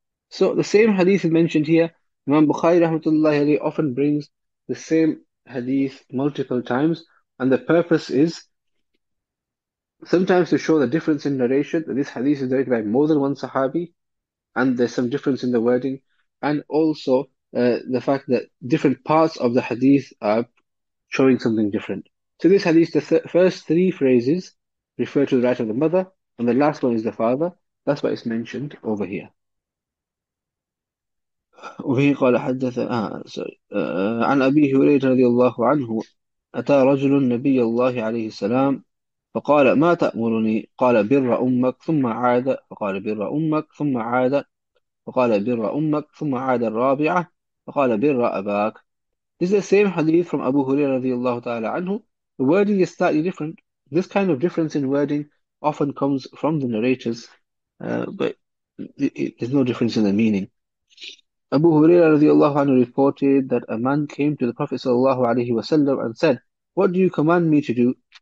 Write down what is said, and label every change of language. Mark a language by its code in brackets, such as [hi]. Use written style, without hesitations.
[en] So the same hadith is mentioned here. Imam Bukhari rahmatullahi alayhi often brings the same hadith multiple times, and the purpose is sometimes to show the difference in narration, that this hadith is narrated by more than one Sahabi, and there's some difference in the wording, and also the fact that different parts of the hadith are showing something different. So this hadith, the first three phrases refer to the right of the mother, and the last one is the father. That's why it's mentioned over here. [ar] وفيه قال حدث عن أبي هريرة رضي الله عنه أتى رجل النبي الله عليه السلام فقال ما تأمرني؟ قال بر أمك ثم عاد فقال بر أمك ثم عاد فقال بر أمك ثم عاد الرابعة فقال بر أباك. [en] This is the same hadith from Abu Huraira رضي الله تعالى عنه. The wording is slightly different. This kind of difference in wording often comes from the narrators, but there's no difference in the meaning. Abu Huraira radiallahu anhu reported that a man came to the Prophet sallallahu alaihi wasallam and said, "What do you command me to do?"